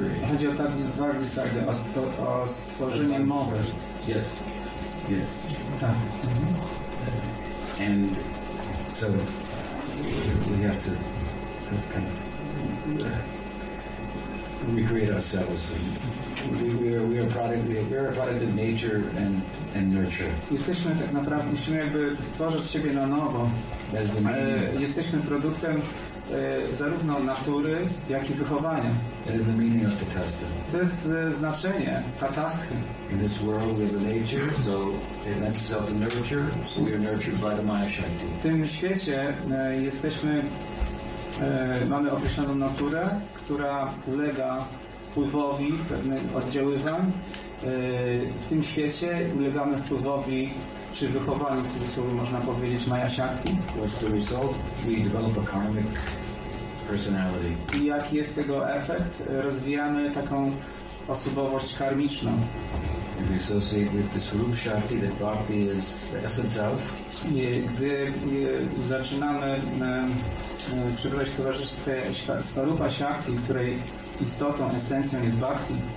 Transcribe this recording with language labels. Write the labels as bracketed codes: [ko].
[pl] Chodzi o tak Vagisarga, o stworzenie mowy. [en] Yes. [pl] Tak. [en] And so we have to kind of recreate ourselves. We are product. We are a product of nature and nurture. [pl] Jesteśmy tak naprawdę, musimy jakby stworzyć siebie na nowo. Jesteśmy produktem zarówno natury, jak i wychowania. [en] That is the meaning of tatastha. [pl] To jest znaczenie tatasthy. [en] In this world we have a nature, so it lends itself to nurture. So we are nurtured by the Maya Shakti. [pl] W tym świecie jesteśmy, mamy określoną naturę, która ulega wpływowi pewnych oddziaływań. W tym świecie ulegamy wpływowi czy wychowaniu, w cudzysłowie można powiedzieć, Maya Shakti. [en] What's the result? We develop a karmic personality. [pl] I jaki jest tego efekt? Rozwijamy taką osobowość karmiczną. [en] If we associate with this Rupa Shakti, that Bhakti is the essence of. [pl] Gdy zaczynamy przybywać w towarzystwie Swarupa Shakti, której istotą, esencją jest Bhakti.